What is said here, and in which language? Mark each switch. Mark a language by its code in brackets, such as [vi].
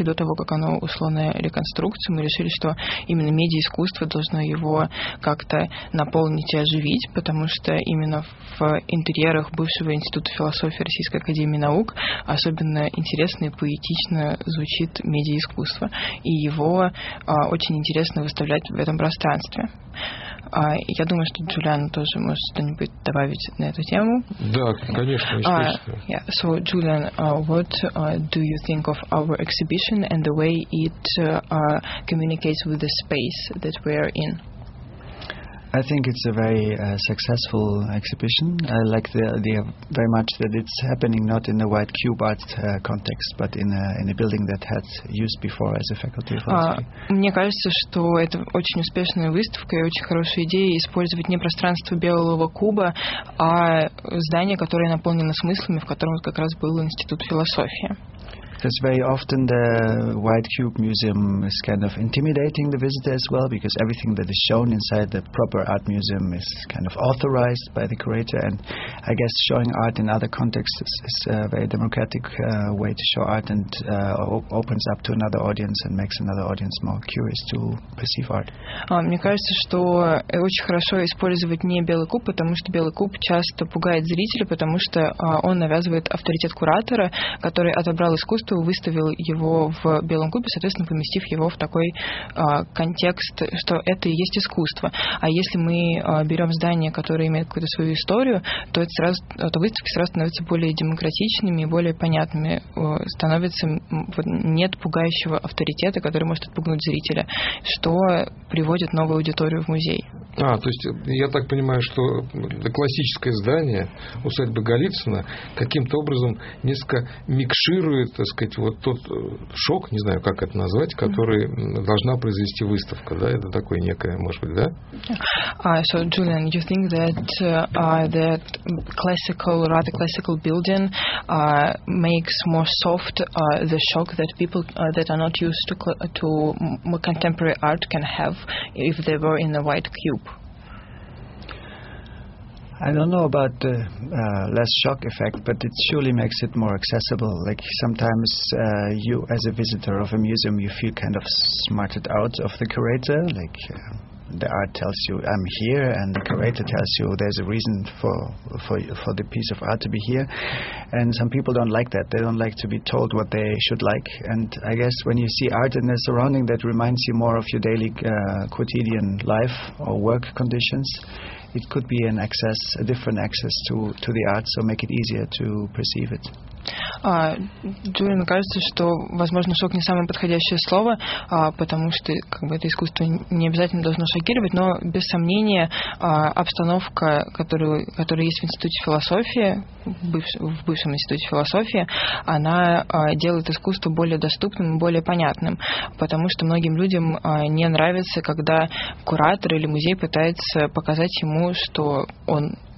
[ru] И до того, как оно ушло на реконструкцию, мы решили, что именно медиаискусство должно его как-то наполнить и оживить, потому что именно в интерьерах бывшего Института философии Российской Академии Наук особенно интересно и поэтично звучит медиаискусство, и его очень интересно выставлять в этом пространстве. Я думаю, что Джулиан тоже может что-нибудь добавить на эту тему. Да, конечно. [en] So, Julian, what do you think of our exhibition and the way it communicates with the space that we are in? I think it's a very successful exhibition. I like the idea very much that it's happening not in a white cube art context, but in a building that had used before as a faculty of philosophy. [ru] Мне кажется, что это очень успешная выставка и очень хорошая идея использовать не пространство белого куба, а здание, которое наполнено смыслами, в котором как раз был институт философии. [en] Because very often the white cube museum is kind of intimidating the visitor as well, because everything that is shown inside the proper art museum is kind of authorized by the curator, and I guess showing art in other contexts is a very democratic way to show art and opens up to another audience and makes another audience more curious to perceive art. [ru] Мне кажется, что очень хорошо использовать не белый куб, потому что белый куб часто пугает зрителя, потому что он навязывает авторитет куратора, который отобрал искусство, что выставил его в белом кубе, соответственно, поместив его в такой контекст, что это и есть искусство. А если мы берем здание, которое имеет какую-то свою историю, то это сразу, то выставки сразу становятся более демократичными и более понятными. Становится вот, нет пугающего авторитета, который может отпугнуть зрителя, что приводит новую аудиторию в музей. А, то есть я так понимаю, что классическое здание усадьбы Голицына каким-то образом несколько микширует, так сказать, вот тот шок, не знаю, как это назвать, который должна произвести выставка, да, это такое некое, может быть, да? [en] So, Julian, you think that that classical, rather classical building makes more soft the shock that people that are not used to contemporary art can have if they were in a white cube? I don't know about the less shock effect, but it surely makes it more accessible. Like sometimes you, as a visitor of a museum, you feel kind of smarted out of the curator. Like the art tells you, I'm here, and the curator tells you there's a reason for the piece of art to be here. And some people don't like that. They don't like to be told what they should like. And I guess when you see art in a surrounding that reminds you more of your daily quotidian life or work conditions, it could be an access, a different access to the art, so make it easier to perceive it. [ru] Джулиан, кажется, что, возможно, шок не самое подходящее слово, потому что как бы, это искусство не обязательно должно шокировать, но, без сомнения, обстановка, которая есть в институте философии, в бывшем институте философии, она делает искусство более доступным, более понятным, потому что многим людям не нравится, когда куратор или музей пытается показать ему, что он